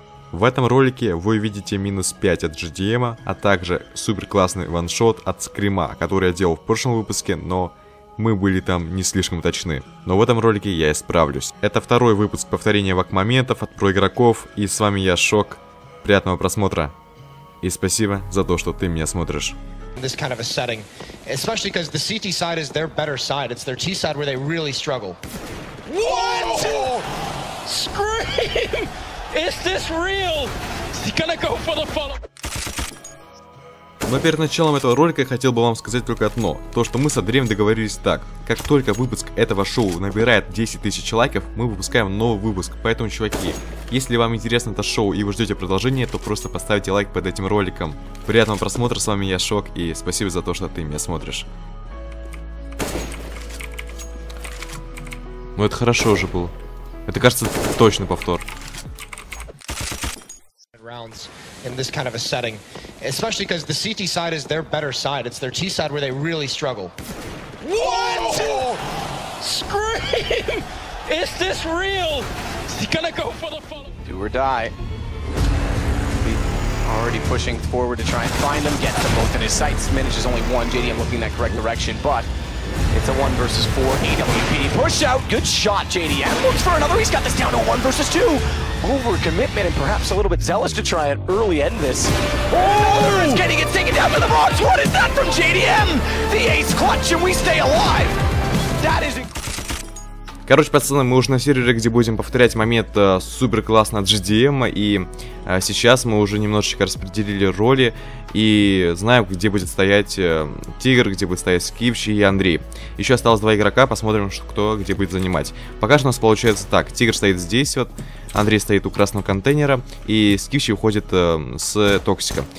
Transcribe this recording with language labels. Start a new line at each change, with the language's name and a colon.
Russian: В этом ролике вы увидите минус 5 от GDM, а также супер классный ваншот от Скрима, который я делал в прошлом выпуске, но мы были там не слишком точны. Но в этом ролике я исправлюсь. Это второй выпуск повторения вак-моментов от проигроков, и с вами я, Шок. Приятного просмотра. И спасибо за то, что ты меня смотришь.
English: This kind of a setting, especially because the CT side is their better side. It's their T side where they really struggle. What? Oh! Scream! Is this real? He's gonna go for the follow.
Russian: Но перед началом этого ролика я хотел бы вам сказать только одно. То, что мы с Андреем договорились так. Как только выпуск этого шоу набирает 10 тысяч лайков, мы выпускаем новый выпуск. Поэтому, чуваки, если вам интересно это шоу и вы ждете продолжения, то просто поставьте лайк под этим роликом. Приятного просмотра, с вами я, Шок, и спасибо за то, что ты меня смотришь. Ну это хорошо уже было. Это, кажется, точный повтор.
English: In this kind of a setting, especially because the CT side is their better side. It's their T side where they really struggle. What? Oh! Scream! Is this real? Is he gonna go for the follow? Do or die. Already pushing forward to try and find him, get them both in his sights. Manages only one. JDM looking in that correct direction, but it's a one versus four. AWP push out. Good shot, JDM. Looks for another. He's got this down to one versus two. Overcommitment and perhaps a little bit zealous to try and early end this. Another is getting it taken down to the box. What is that from JDM? The ace clutch and we stay alive. That is.
Russian: Короче, пацаны, мы уже на сервере, где будем повторять момент супер классно от GDM, и сейчас мы уже немножечко распределили роли и знаем, где будет стоять Тигр, где будет стоять Скипч и Андрей. Еще осталось два игрока, посмотрим, что, кто где будет занимать. Пока что у нас получается так: Тигр стоит здесь, вот, Андрей стоит у красного контейнера, и Скипч уходит с Токсика.